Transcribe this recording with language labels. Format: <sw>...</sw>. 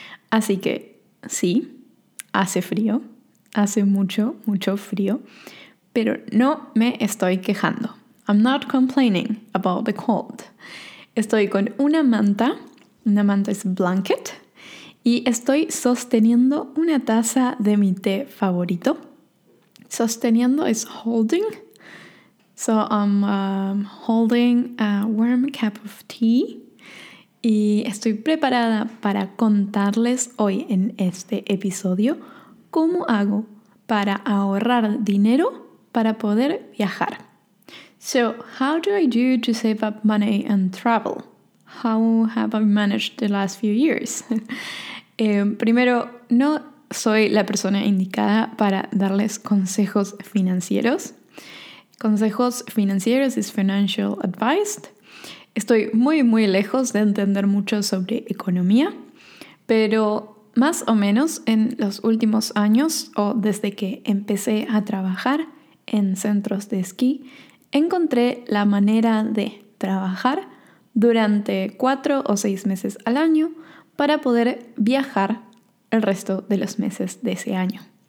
<es>Así que sí, hace frío, hace mucho, mucho frío, pero no me estoy quejando.</es> <en>I'm not complaining about the cold.</en> <es>Estoy con una manta es blanket, y estoy sosteniendo una taza de mi té favorito. Sosteniendo es holding.</es> <en>So I'm holding a warm cup of tea.</en> <es>Y estoy preparada para contarles hoy en este episodio cómo hago para ahorrar dinero para poder viajar.</es> <en>So, how do I do to save up money and travel? How have I managed the last few years?</en> <es>Primero, no soy la persona indicada para darles consejos financieros. Consejos financieros es financial advice. Estoy muy, muy lejos de entender mucho sobre economía, pero más o menos en los últimos años o desde que empecé a trabajar en centros de esquí, encontré la manera de trabajar durante 4 o 6 meses al año para poder viajar el resto de los meses de ese año.</es>